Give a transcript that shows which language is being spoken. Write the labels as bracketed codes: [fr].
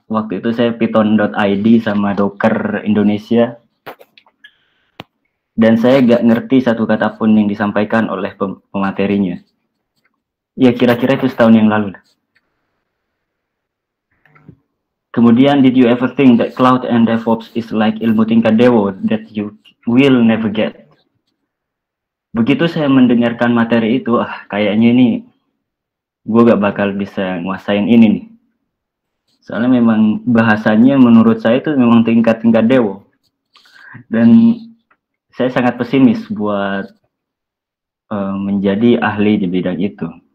[id] Waktu itu saya python.id sama Docker Indonesia. Dan saya gak ngerti satu kata pun yang disampaikan oleh pematerinya. Ya kira-kira itu setahun yang lalu. [en] Kemudian, did you ever think that cloud and DevOps is like [id] ilmu tingkat dewa [en] that you will never get? [id] Begitu saya mendengarkan materi itu, kayaknya ini gue gak bakal bisa nguasain ini nih. Soalnya memang bahasanya menurut saya itu memang tingkat-tingkat dewa. Dan saya sangat pesimis buat menjadi ahli di bidang itu.